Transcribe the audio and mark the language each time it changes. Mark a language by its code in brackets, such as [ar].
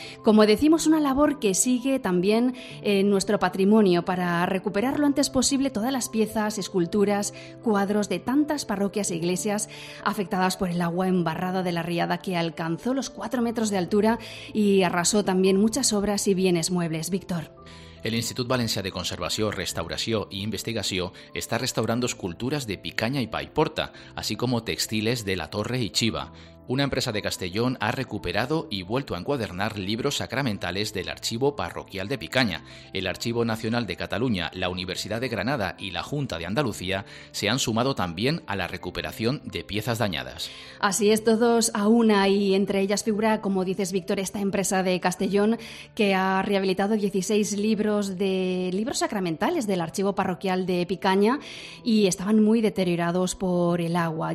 [es] Como decimos, una labor que sigue también en nuestro patrimonio para recuperar lo antes posible todas las piezas, esculturas, cuadros de tantas parroquias e iglesias afectadas por el agua embarrada de la riada que alcanzó los 4 metros de altura y arrasó también muchas obras y bienes muebles. Víctor. [ca] El Institut València de Conservació, Restauració i Investigació està restaurant escultures de Picanya i Paiporta, així com textiles de la Torre i Xiva. [es] Una empresa de Castellón ha recuperado y vuelto a encuadernar libros sacramentales del Archivo Parroquial de Picanya. El Archivo Nacional de Cataluña, la Universidad de Granada y la Junta de Andalucía se han sumado también a la recuperación de piezas dañadas. Así es, todos a una, y entre ellas figura, como dices Víctor, esta empresa de Castellón que ha rehabilitado 16 libros sacramentales del Archivo Parroquial de Picanya y estaban muy deteriorados por el agua.